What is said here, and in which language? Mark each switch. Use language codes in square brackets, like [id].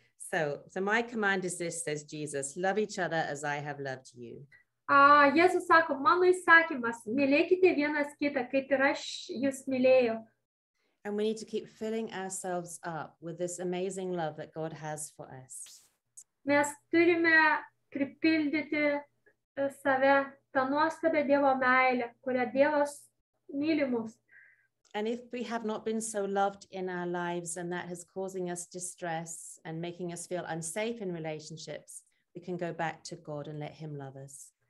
[en] So my command is this, says Jesus, love each other as I have loved you. [lt] Jėzus sako, mano įsakymas, mylėkite vienas kitą, kaip ir aš jūs mylėjau. [en] And we need to keep filling ourselves up with this amazing love that God has for us. [lt] Mes turime pripildyti save tą nuostabią Dievo meilę, kurią Dievas myli mus. [en] And if we have not been so loved in our lives and that has causing us distress and making us feel unsafe in relationships, we can go back to God and let him love us.